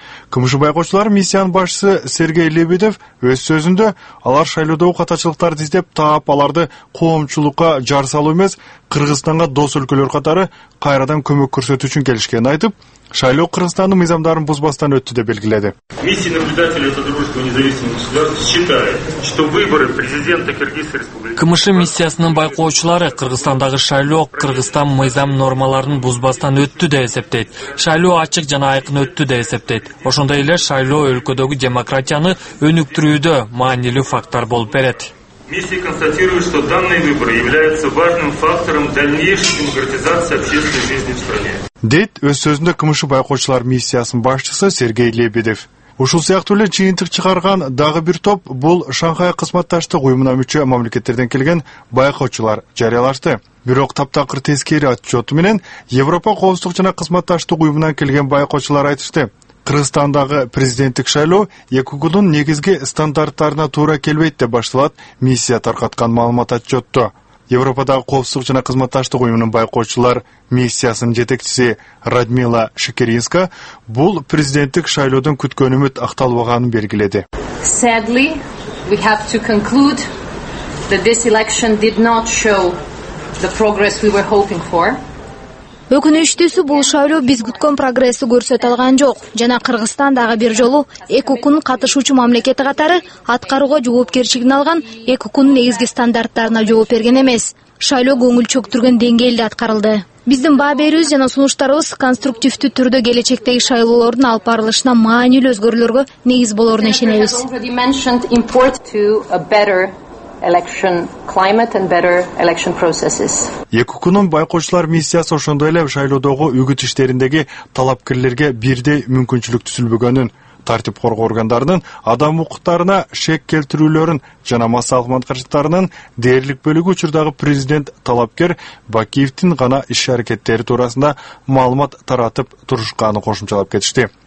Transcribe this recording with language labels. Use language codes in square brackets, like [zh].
[ky] КМШ байкоочулар миссиянын башчысы Сергей Лебедев өз сөзүндө алар шайлоодогу катачылыктарды издеп таап, аларды коомчулукка жар салуу эмес, Кыргызстанга дос өлкөлөр катары кайрадан көмөк көрсөтүү үчүн келишкенин айтып, шайлоо Кыргызстандын мыйзамдарын бузбастан өттү деп белгиледи. [ru] Миссия наблюдателей Содружества независимых государств считает, что выборы президента Кыргызской Республики. [ky] КМШ миссиясынын байкоочулары Кыргызстандагы шайлоо Кыргызстан мыйзам нормаларын бузбастан өттү деп эсептейт. Шайлоо ачык жана айкын өттү деп эсептейт. Ошондой эле шайлоо өлкөдөгү демократияны өнүктүрүүдө маанилүү фактор болуп берет. [ru] Миссия констатирует, что данные выборы являются важным фактором дальнейшей демократизации общественной жизни в стране. [ky] Дейт өз сөзүндө КМШ байкоочулар миссиясынын башчысы Сергей Лебедев. Ушул сыяктуу эле жыйынтык чыгарган дагы бир топ бул Шанхай кызматташтык уюмуна мүчө мамлекеттерден келген байкоочулар жарыялашты. Бирок таптакыр тескери отчёту менен Европа коопсуздук жана кызматташтык уюмунан келген байкоочулар айтышты. Кыргызстандагы президенттик шайлоо ЭККУ-нун негизги стандарттарына туура келбейт деп башталат миссия таркаткан маалымат отчётто. Европадагы коопсуздук жана кызматташтык уюмунун байкоочулар миссиясынын жетекчиси Радмила Шикеринска бул президенттик шайлоодон күткөн үмүт акталбаганын белгиледи. [en] Sadly, we have to conclude that this election did not show the progress we were hoping for. [ky] Өкүнүчтүүсү бул шайлоо биз күткөн прогрессти көрсөтө алган жок жана Кыргызстан дагы бир жолу ЭККУ-нун катышуучу мамлекети катары аткарууга жоопкерчилигин алган ЭККУ-нун негизги стандарттарына жооп берген эмес. Шайлоо көңүл чөктүргөн деңгээлде аткарылды. Биздин баа берүүбүз жана сунуштарыбыз конструктивдүү түрдө келечектеги шайлоолордун алып барылышына маанилүү өзгөрүүлөргө негиз болорун ишенебиз. [en] Election climate and better election processes. [ky] ЭККУ-нун байкоочулар миссиясы ошондой эле шайлоодогу үгүт иштериндеги талапкерлерге бирдей мүмкүнчүлүк түзүлбөгөнүн, тартип коргоо органдарынын адам укуктарына шек келтирүүлөрүн жана массалык мандаттарынын дээрлик бөлүгү учурдагы президент талапкер Бакиевдин гана иш аракеттери туурасында маалымат таратып турушканын кошумчалап кетишти.